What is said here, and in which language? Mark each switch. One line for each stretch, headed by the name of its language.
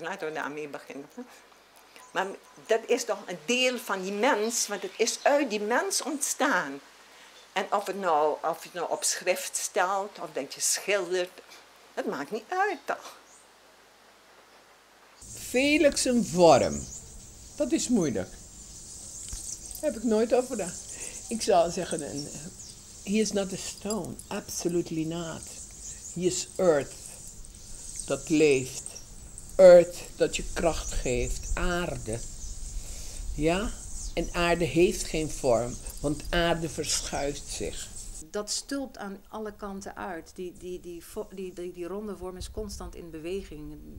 Dutch: Laten we daarmee beginnen. Maar dat is toch een deel van die mens, want het is uit die mens ontstaan. En of je het nou op schrift stelt, of dat je schildert, dat maakt niet uit toch. Felix een vorm, dat is moeilijk. Daar heb ik nooit over gedacht. Ik zou zeggen een...
English: He is not a stone, absolutely not. He is earth,
Dutch: dat leeft. Earth, dat je kracht geeft. Aarde. Ja? En aarde heeft geen vorm, want aarde verschuift zich. Dat stulpt aan alle kanten uit. Die ronde vorm is constant in beweging.